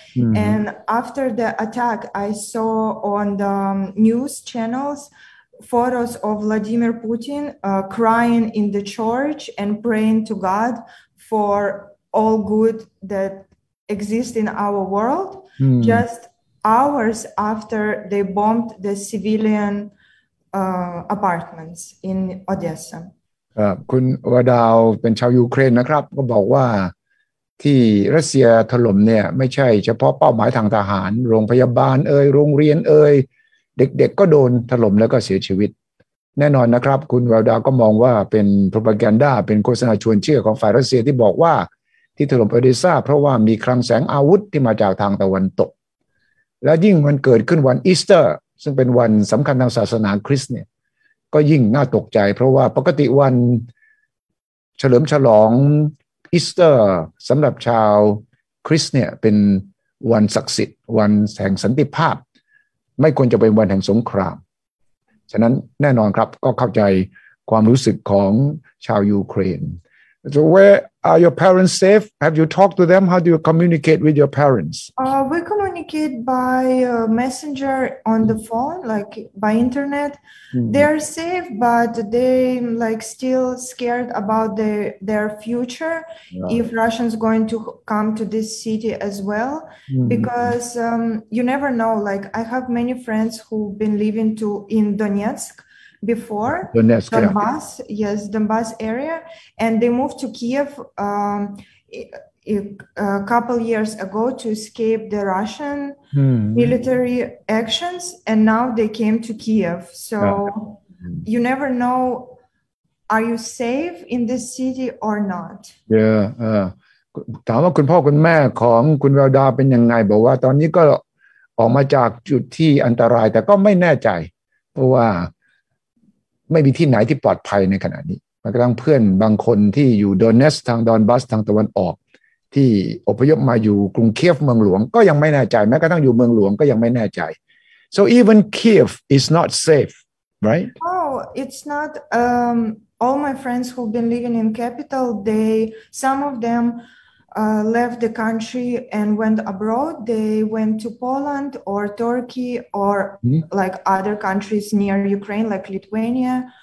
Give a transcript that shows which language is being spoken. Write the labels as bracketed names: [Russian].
[English] And after the attack, I saw on the news channels photos of Vladimir Putin crying in the church and praying to God for all good that... exist in our world just hours after they bombed the civilian apartments in Odessa. [Thai] คุณวดาวเป็นชาวยูเครนนะครับก็บอกว่าที่รัสเซียถล่มเนี่ยไม่ใช่เฉพาะเป้าหมายทางทหารโรงพยาบาลเอ่ยโรงเรียนเอ่ยเด็กๆก็โดนถล่มแล้วก็เสียชีวิตแน่นอนนะครับคุณวดาวก็มองว่าเป็นโพรพาแกนดาเป็นโฆษณาชวนเชื่อของฝ่ายรัสเซียที่บอกว่าที่ถล่มออเดซ่าเพราะว่ามีคลังแสงอาวุธที่มาจากทางตะวันตกและยิ่งมันเกิดขึ้นวันอีสเตอร์ซึ่งเป็นวันสำคัญทางศาสนาคริสต์เนี่ย ก็ยิ่งน่าตกใจเพราะว่าปกติวันเฉลิมฉลองอีสเตอร์สำหรับชาวคริสต์เนี่ยเป็นวันศักดิ์สิทธิ์วันแห่งสันติภาพไม่ควรจะเป็นวันแห่งสงครามฉะนั้นแน่นอนครับก็เข้าใจความรู้สึกของชาวยูเครน [English] So where are your parents safe? Have you talked to them? How do you communicate with your parents? We communicate by messenger on the phone, like by internet. Mm-hmm. They are safe, but they like still scared about their future if Russians going to come to this city as well. Mm-hmm. Because you never know. Like I have many friends who've been living in Donetsk. Before Donbass, yes, Donbass area, and they moved to Kiev a couple years ago to escape the Russian military actions, and now they came to Kiev. So you never know, are you safe in this city or not? [Thai] Yeah. ถามว่าคุณพ่อคุณแม่ของคุณวาดาเป็นยังไงบอกว่าตอนนี้ก็ออกมาจากจุดที่อันตรายแต่ก็ไม่แน่ใจเพราะว่าไม่มีที่ไหนที่ปลอดภัยในขณะนี้มันกำลังเพื่อนบางคนที่อยู่โดนเนสทางดอนบัสทางตะวันออกที่อพยพมาอยู่กรุงเคียฟเมืองหลวงก็ยังไม่แน่ใจแม้กระทั่งอยู่เมืองหลวงก็ยังไม่แน่ใจ [English] so even Kiev is not safe right oh it's not all my friends who've been living in capital they some of them left the country and went abroad they went to Poland or Turkey or like other countries near Ukraine like Lithuania